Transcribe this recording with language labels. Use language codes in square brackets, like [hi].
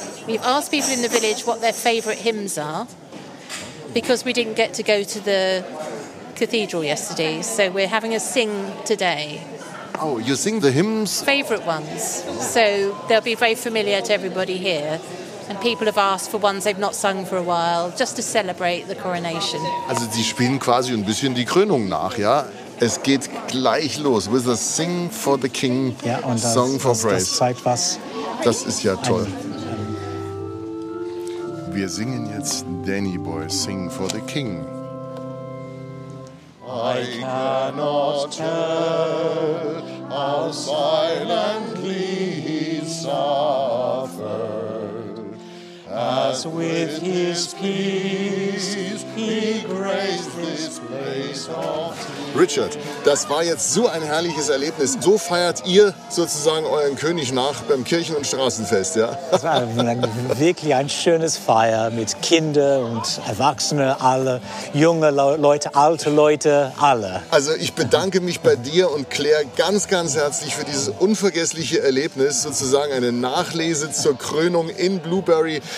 [en] We've asked people in the village what their favorite hymns are because we didn't get to go to the cathedral yesterday. So we're having a sing today. Oh, you sing the hymns? Favorite ones. So they'll be very familiar to everybody here. And people have asked for ones they've not sung for a while just to celebrate the coronation. [de] Also die spielen quasi ein bisschen die Krönung nach, ja? Es geht gleich los. [en] With a sing for the King, [de] ja, und das, [en] song for [de] das, [en] praise. [de] Das zeigt was. Das ist ja toll. Wir singen jetzt Danny Boy, [en] Sing for the King. I cannot tell how silently he suffered, as with his peace he graced this place of tears. [de] Richard, das war jetzt so ein herrliches Erlebnis. So feiert ihr sozusagen euren König nach beim Kirchen- und Straßenfest, ja? Das war wirklich ein schönes Feier mit Kinder und Erwachsenen, alle, junge Leute, alte Leute, alle. Also ich bedanke mich bei dir und Claire ganz, ganz herzlich für dieses unvergessliche Erlebnis, sozusagen eine Nachlese zur Krönung in Blueberry.